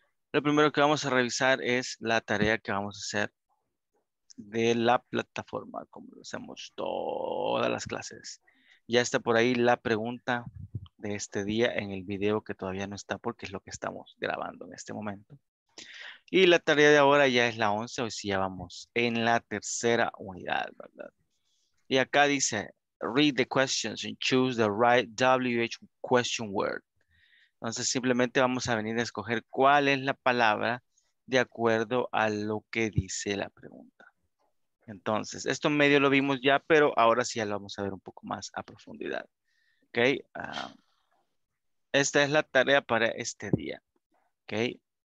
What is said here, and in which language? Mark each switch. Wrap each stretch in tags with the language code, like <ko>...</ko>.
<es>Lo primero que vamos a revisar es la tarea que vamos a hacer de la plataforma, como lo hacemos todas las clases. Ya está por ahí la pregunta de este día en el video que todavía no está porque es lo que estamos grabando en este momento. Y la tarea de ahora ya es la 11, hoy sí ya vamos en la tercera unidad, ¿verdad? Y acá dice,</es> <en>read the questions and choose the right WH question word.</en> <es>Entonces simplemente vamos a venir a escoger cuál es la palabra de acuerdo a lo que dice la pregunta. Entonces, esto medio lo vimos ya, pero ahora sí ya lo vamos a ver un poco más a profundidad. ¿Ok? Esta es la tarea para este día. ¿Ok?</es>